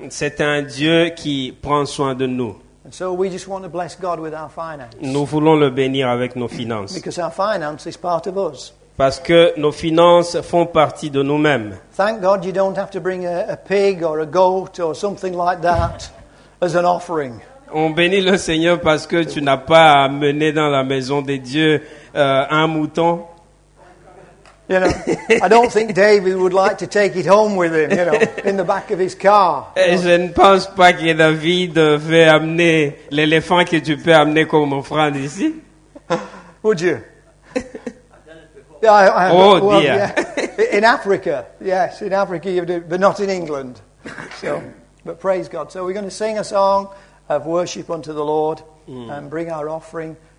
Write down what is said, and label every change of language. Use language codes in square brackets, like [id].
[fr] C'est un Dieu qui prend soin de nous. [en] And so we just want to bless God with our finances. [fr] Nous voulons le bénir avec nos finances. [en] Because our finance is part of us. [fr] Parce que nos finances font partie de nous-mêmes. [en] Thank God you don't have to bring a pig or a goat or something like that as an offering. [fr] On bénit le Seigneur parce que tu n'as pas à mener dans la maison des dieux un mouton. [en] You know, I don't think David would like to take it home with him, you know, in the back of his car. [fr] Et je ne pense pas que David veut amener l'éléphant que tu peux amener comme offrande ici. [en] Would you? Yeah. In Africa, yes, in Africa, you do, but not in England. So, but praise God. So we're going to sing a song of worship unto the Lord and bring our offering.